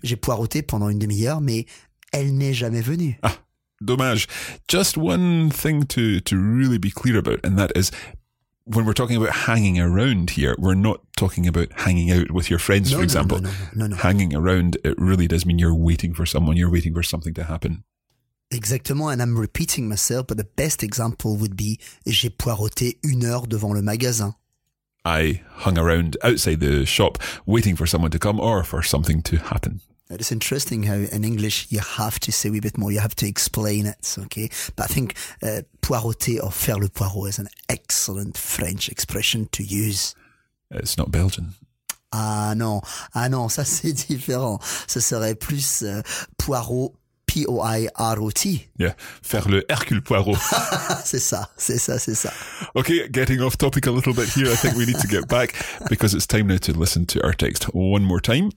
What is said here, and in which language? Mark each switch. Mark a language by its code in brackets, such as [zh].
[fr] J'ai poireauté pendant une demi-heure, mais elle n'est jamais venue. Ah, dommage. [en] Just one thing to really be clear about, and that is when we're talking about hanging around here, we're not talking about hanging out with your friends, for example. No. Hanging around, it really does mean you're waiting for someone, you're waiting for something to happen. Exactement, and I'm repeating myself, but the best example would be j'ai poireauté une heure devant le magasin. I hung around outside the shop waiting for someone to come or for something to happen. It is interesting how in English you have to say a wee bit more, you have to explain it, okay? But I think poireauter or faire le poireau is an excellent French expression to use. It's not Belgian. [fr] Ah non, ça c'est différent. Ça serait plus poireau, P-O-I-R-O-T. Yeah, faire le Hercule Poirot. c'est ça. [en] Okay, getting off topic a little bit here. I think we need to get back because it's time now to listen to our text one more time.